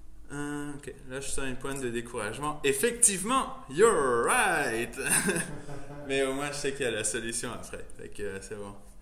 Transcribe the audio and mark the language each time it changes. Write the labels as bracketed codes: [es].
[fr] Ok, là je sens une pointe de découragement. [en] Effectivement, you're right. [fr] Mais au moins je sais qu'il y a la solution après. Fait que c'est bon.